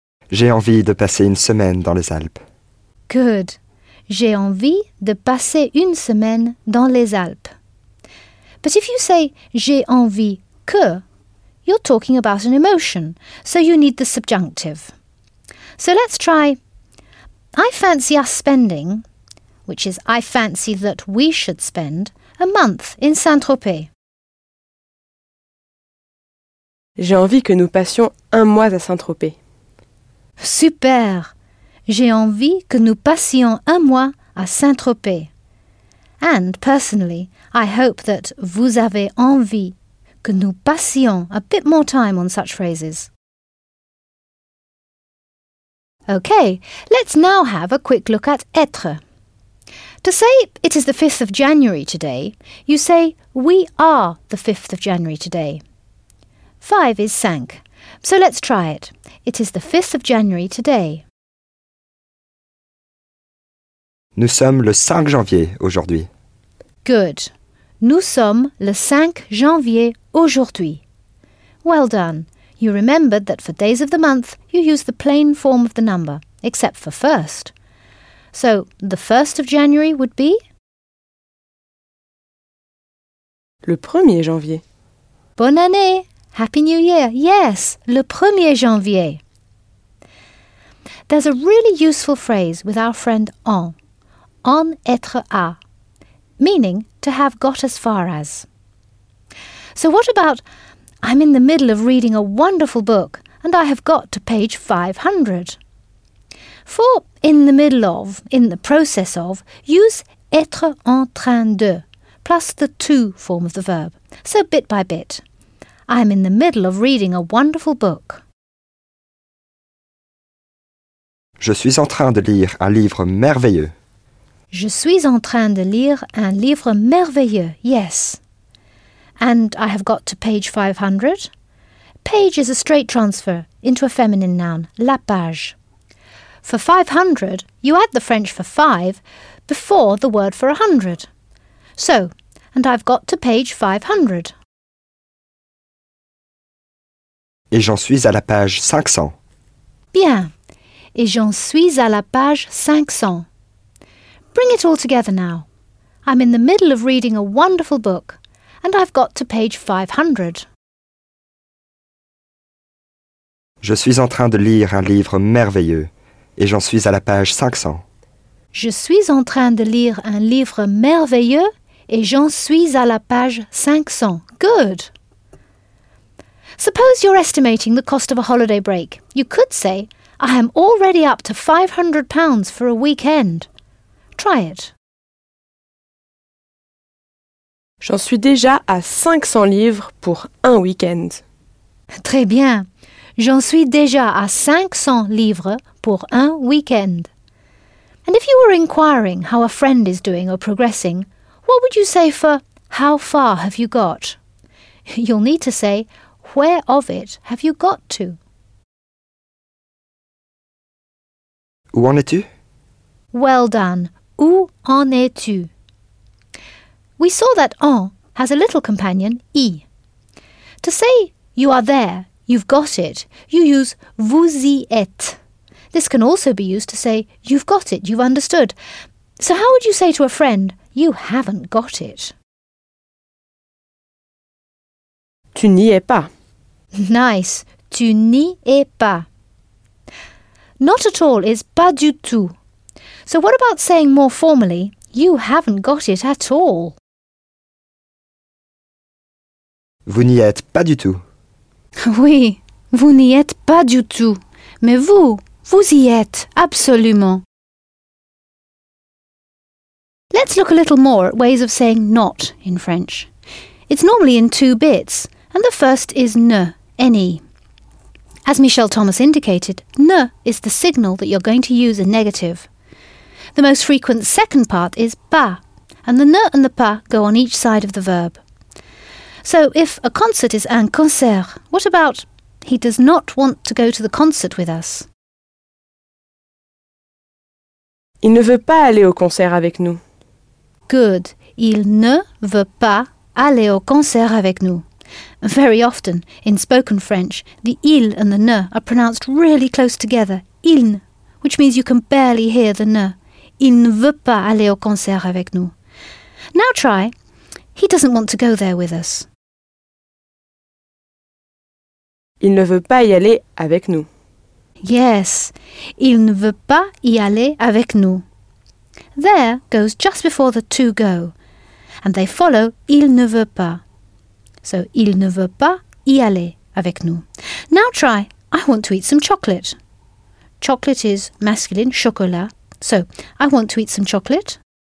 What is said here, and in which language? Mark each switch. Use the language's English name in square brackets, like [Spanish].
[French] J'ai envie de passer une semaine dans les Alpes. [English] Good. [French] J'ai envie de passer une semaine dans les Alpes. [English] But if you say [French] j'ai envie que, [English] you're talking about an emotion, so you need the subjunctive. So let's try I fancy us spending, which is I fancy that we should spend, a month in Saint-Tropez. [French] J'ai envie que nous passions un mois à Saint-Tropez. Super! J'ai envie que nous passions un mois à Saint-Tropez. [English] And personally, I hope that [French] vous avez envie que nous passions [English] a bit more time on such phrases. Okay, let's now have a quick look at être. To say it is the 5th of January today, you say we are the 5th of January today. 5 is 5. So let's try it. It is the 5th of January today. [French] Nous sommes le 5 janvier aujourd'hui. [English] Good. [French] Nous sommes le 5 janvier aujourd'hui. [English] Well done. You remembered that for days of the month, you use the plain form of the number, except for first. So, the 1st of January would be? [French] Le 1er janvier. Bonne année! [English] Happy New Year! Yes, [French] le 1er janvier. [English] There's a really useful phrase with our friend en. En être à. Meaning, to have got as far as. So what about, I'm in the middle of reading a wonderful book and I have got to page 500. For in the middle of, in the process of, use être en train de, plus the to form of the verb. So bit by bit. I'm in the middle of reading a wonderful book. [French] Je suis en train de lire un livre merveilleux. Je suis en train de lire un livre merveilleux, yes. [English] And I have got to page 500. Page is a straight transfer into a feminine noun, la page. For 500, you add the French for five before the word for 100. So, and I've got to page 500. [French] Et j'en suis à la page 500. Bien. Et j'en suis à la page 500. [English] Bring it all together now. I'm in the middle of reading a wonderful book, and I've got to page 500. [French] Je suis en train de lire un livre merveilleux, et j'en suis à la page 500. Je suis en train de lire un livre merveilleux, et j'en suis à la page 500. [English] Good. Suppose you're estimating the cost of a holiday break. You could say, I am already up to £500 for a weekend. Try it. [French] J'en suis déjà à 500 livres pour un week-end. Très bien. J'en suis déjà à 500 livres pour un week-end. [English] And if you were inquiring how a friend is doing or progressing, what would you say for how far have you got? You'll need to say, where of it have you got to? [French] Où en es-tu? [English] Well done. [French] Où en es-tu? [English] We saw that en has a little companion, I. To say you are there, you've got it, you use [French] vous y êtes. [English] This can also be used to say you've got it, you've understood. So how would you say to a friend, you haven't got it? [French] Tu n'y es pas. Nice. Tu n'y es pas. [English] Not at all is pas du tout. So what about saying more formally, you haven't got it at all? [French] Vous n'y êtes pas du tout. Oui, vous n'y êtes pas du tout. Mais vous, vous y êtes absolument. [English] Let's look a little more at ways of saying not in French. It's normally in two bits, and the first is ne, any. As Michel Thomas indicated, ne is the signal that you're going to use a negative. The most frequent second part is pas, and the ne and the pas go on each side of the verb. So, if a concert is un concert, what about he does not want to go to the concert with us? [French] Il ne veut pas aller au concert avec nous. [English] Good. [French] Il ne veut pas aller au concert avec nous. [English] Very often, in spoken French, the il and the ne are pronounced really close together, il, which means you can barely hear the ne. [French] Il ne veut pas aller au concert avec nous. [English] Now try, he doesn't want to go there with us. [French] Il ne veut pas y aller avec nous. Yes, il ne veut pas y aller avec nous. [English] There goes just before the to go, and they follow [French] il ne veut pas. So, il ne veut pas y aller avec nous. [English] Now try, I want to eat some chocolate. Chocolate is masculine, chocolat. So, I want to eat some chocolate.